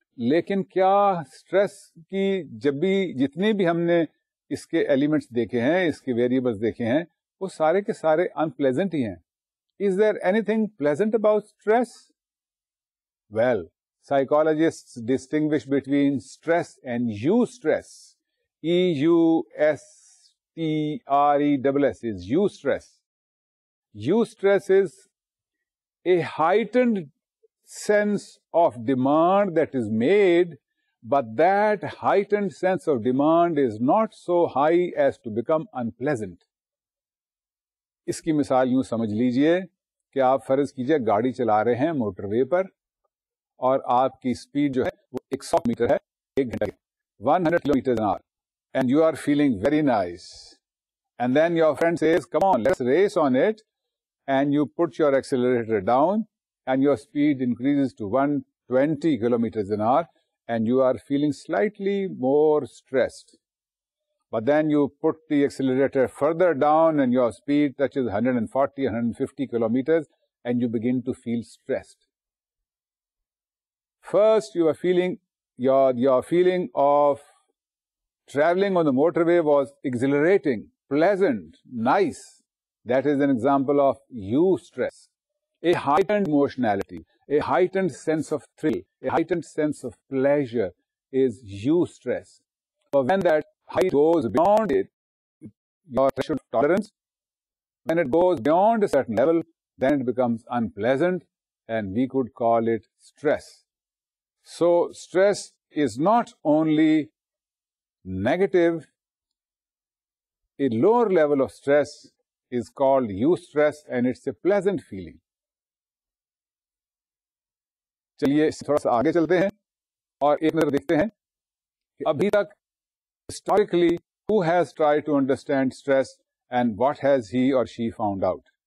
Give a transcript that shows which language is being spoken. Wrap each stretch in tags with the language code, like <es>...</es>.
<ur>لیکن کیا اسٹریس کی جب بھی, جتنے بھی ہم نے اس کے ایلیمنٹس دیکھے ہیں, اس کے ویریبلس دیکھے ہیں, وہ سارے کے سارے ان پلیزنٹ ہی ہیں.</ur> <en>Is there anything pleasant about stress? Well, psychologist distinguish between stress and eustress. E U S T R E double S is eustress. Eustress is a heightened sense of demand that is made, but that heightened sense of demand is not so high as to become unpleasant.</en> <ur>اس کی مثال یوں سمجھ لیجئے کہ آپ فرض کیجئے گاڑی چلا رہے ہیں موٹر وے پر اور آپ کی اسپیڈ جو ہے وہ 100 میٹر ہے ایک گھنٹہ,</ur> <en>100 kilometre hour, and you are feeling very nice, and then your friend says come on let's race on it, and you put your accelerator down and your speed increases to 120 kilometers an hour and you are feeling slightly more stressed. But then you put the accelerator further down and your speed touches 140, 150 kilometers and you begin to feel stressed. First, you are feeling, your feeling of traveling on the motorway was exhilarating, pleasant, nice. That is an example of you stress. A heightened emotionality, a heightened sense of thrill, a heightened sense of pleasure is eustress. But when that height goes beyond it, your threshold of tolerance, when it goes beyond a certain level, then it becomes unpleasant and we could call it stress. So stress is not only negative, a lower level of stress is called eustress and it's a pleasant feeling.</en> <ur>چلیے تھوڑا سا آگے چلتے ہیں اور ایک نظر دیکھتے ہیں کہ ابھی تک</ur> <en>Historically who has try to understand stress and what has he اور she found out.</en>